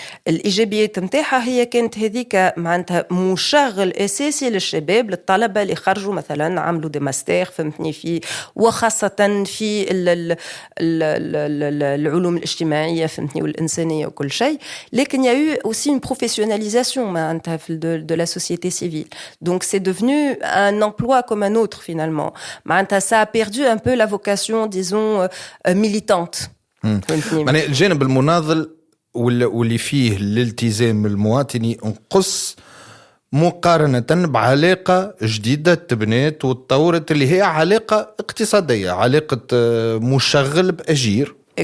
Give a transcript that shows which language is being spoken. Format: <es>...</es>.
<ar>الايجابيات نتاعها هي كانت هذيك معناتها مشغل اساسي للشباب للطلبه اللي خرجوا مثلا عملوا دي ماستر فهمتني في وخاصه في العلوم الاجتماعيه فهمتني والانسانيه وكل شيء، لكن يا هو</ar> <fr>aussi une professionnalisation</fr> <ar>معناتها في</ar> <fr>de la société civile. Donc c'est devenu un emploi comme un autre finalement.</fr> <ar>معناتها</ar> <fr>ça a perdu un peu la vocation disons ميليتانت.</fr> <ar>يعني الجانب المناضل واللي فيه الالتزام المواطني انقص مقارنة بعلاقة جديدة تبنات وتطورت اللي هي علاقة اقتصادية، علاقة مشغل بأجير.</ar>